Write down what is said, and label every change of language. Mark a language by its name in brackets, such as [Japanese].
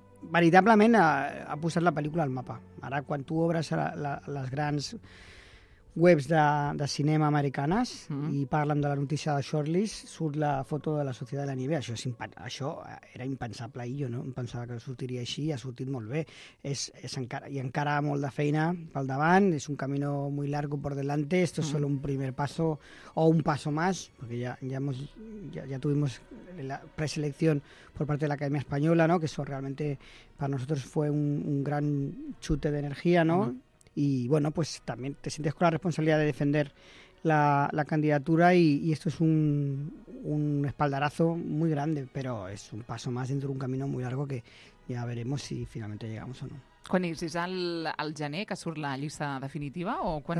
[Catalan] Veritablement ha posat la pel·lícula al mapa. Ara, quan tu obres les grans... webs de cinema americanes, uh-huh, i parlen de la notícia de shortlist, surt la foto de la Societat de la Nieve. Això era impensable ahir, jo no em pensava que sortiria així, i ha sortit molt bé. Encara molt de feina pel davant, [Spanish] és un camino muy largo por delante, esto, uh-huh, es solo un primer paso o un paso más, porque ya tuvimos la preselección por parte de la Academia Española, ¿no? Que eso realmente para nosotros fue un gran chute de energía, ¿no? Uh-huh. Y bueno, pues también te sientes con la responsabilidad de defender la candidatura, y esto es un espaldarazo muy grande, pero es un paso más dentro de un camino muy largo que ya veremos si finalmente llegamos o no. [Catalan] ¿Quan és al gener que surt la llista definitiva o quan